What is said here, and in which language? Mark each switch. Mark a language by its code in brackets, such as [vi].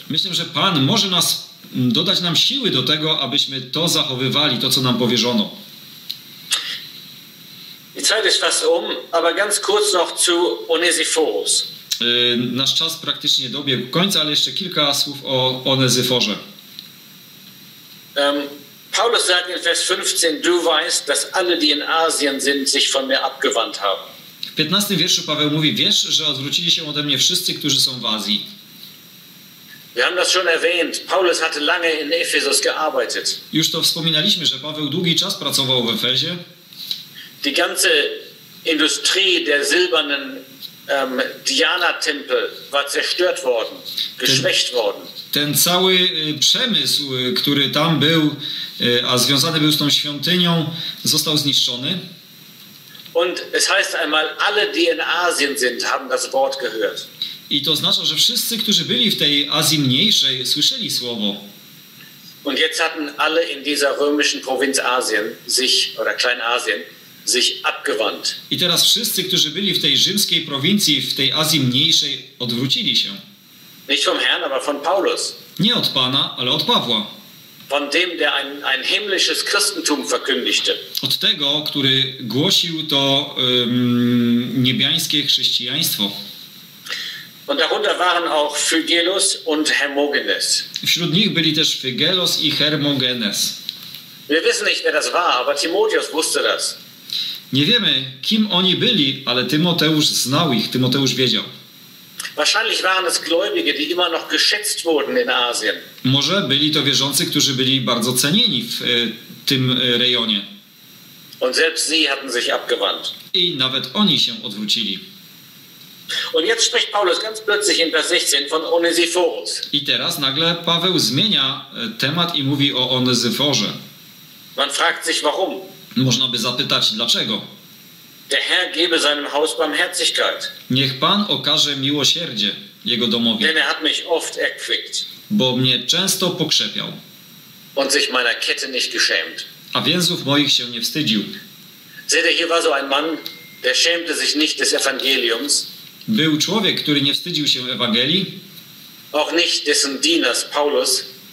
[pl] Myślę, że Pan może nas dodać nam siły do tego, abyśmy to zachowywali, to co nam powierzono. [de] Die Zeit ist fast um, aber ganz kurz noch zu Onesiphorus. [pl] Nasz czas praktycznie dobiegł końca, ale jeszcze kilka słów o Onesiphorze. [de] Paulus sagt in Vers 15, du weißt, dass alle, die in Asien sind, sich von mir abgewandt haben. [pl] W 15 wierszu Paweł mówi, wiesz, że odwrócili się ode mnie wszyscy, którzy są w Azji. [de] Wir haben das schon erwähnt. Paulus hatte lange in Ephesus gearbeitet. [pl] Już to wspominaliśmy, że Paweł długi czas pracował w Efezie. [de] Die ganze Industrie der silbernen Diana-Tempel war zerstört worden, geschwächt worden. [pl] Ten cały przemysł, który tam był, a związany był z tą świątynią, został zniszczony. [de] Und es heißt einmal, alle, die in Asien sind, haben das Wort gehört. [pl] I to oznacza, że wszyscy, którzy byli w tej Azji Mniejszej, słyszeli słowo. [de] Und jetzt hatten alle in dieser römischen Provinz Asien sich oder Kleinasien sich abgewandt. [pl] I teraz wszyscy, którzy byli w tej rzymskiej prowincji, w tej Azji Mniejszej, odwrócili się. [de] Nicht vom Herrn, aber von Paulus. [pl] Nie od Pana, ale od Pawła. [de] Von dem, der ein himmlisches Christentum verkündigte. [pl] Od tego, który głosił to niebiańskie chrześcijaństwo. [de] Und darunter waren auch Phygelus und Hermogenes. [pl] Wśród nich byli też Phygelus i Hermogenes. [de] Wir wissen nicht, wer das war, aber Timotheus wusste das. [pl] Nie wiemy, kim oni byli, ale Tymoteusz znał ich, Tymoteusz wiedział. [de] Wahrscheinlich waren es Gläubige, die immer noch geschätzt wurden in Asien. [pl] Może byli to wierzący, którzy byli bardzo cenieni w tym rejonie. [de] Und selbst sie hatten sich abgewandt. [pl] I nawet oni się odwrócili. [de] Und jetzt spricht Paulus ganz plötzlich in Vers 16 von Onesiphorus. [pl] I teraz nagle Paweł zmienia temat i mówi o Onesiphorze. [de] Man fragt sich warum. [pl] Można by zapytać dlaczego. [de] Der Herr gebe seinem Haus barmherzigkeit. [pl] Niech Pan okaże miłosierdzie jego domowi. [de] Denn er hat mich oft erquickt. [pl] Bo mnie często pokrzepiał. [de] Und sich meiner Kette nicht geschämt. [pl] A więzów moich się nie wstydził. [de] Seht ihr, hier war so ein Mann, der schämte sich nicht des Evangeliums. [pl] Był człowiek, który nie wstydził się Ewangelii. [de] Auch nicht dessen Dieners Paulus.